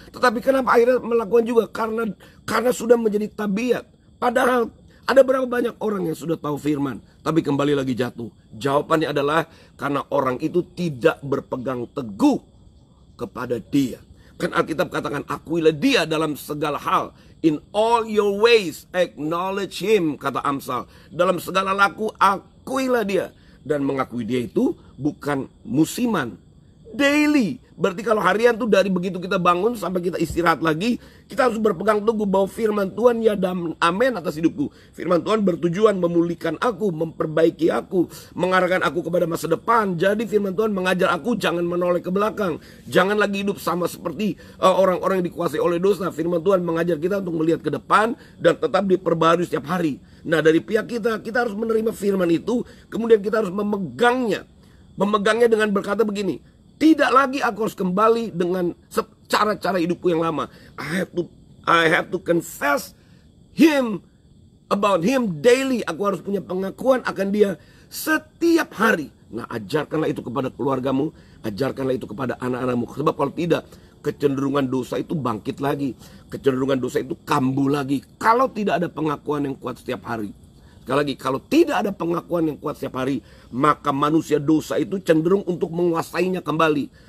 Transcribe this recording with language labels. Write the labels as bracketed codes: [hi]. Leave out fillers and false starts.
[id] Tetapi kenapa akhirnya melakukan juga? Karena sudah menjadi tabiat. Padahal ada berapa banyak orang yang sudah tahu firman, tapi kembali lagi jatuh. Jawabannya adalah karena orang itu tidak berpegang teguh kepada dia. Kan Alkitab katakan, akuilah dia dalam segala hal, [en] In all your ways, acknowledge him, kata Amsal. [id] Dalam segala laku, akuilah dia. Dan mengakui dia itu bukan musiman. Daily. Berarti kalau harian tuh dari begitu kita bangun sampai kita istirahat lagi, kita harus berpegang teguh bahwa firman Tuhan ya dan amin atas hidupku. Firman Tuhan bertujuan memulihkan aku, memperbaiki aku, mengarahkan aku kepada masa depan. Jadi firman Tuhan mengajar aku jangan menoleh ke belakang. Jangan lagi hidup sama seperti orang-orang yang dikuasai oleh dosa. Firman Tuhan mengajar kita untuk melihat ke depan dan tetap diperbarui setiap hari. Nah dari pihak kita, kita harus menerima firman itu. Kemudian kita harus memegangnya. Memegangnya dengan berkata begini, tidak lagi aku harus kembali dengan cara-cara hidupku yang lama. [en] I have to confess him about him daily. [id] Aku harus punya pengakuan akan dia setiap hari. Nah, ajarkanlah itu kepada keluargamu, ajarkanlah itu kepada anak-anakmu. Sebab kalau tidak, kecenderungan dosa itu bangkit lagi. Kecenderungan dosa itu kambuh lagi. Kalau tidak ada pengakuan yang kuat setiap hari. Sekali lagi, kalau tidak ada pengakuan yang kuat setiap hari, maka manusia dosa itu cenderung untuk menguasainya kembali.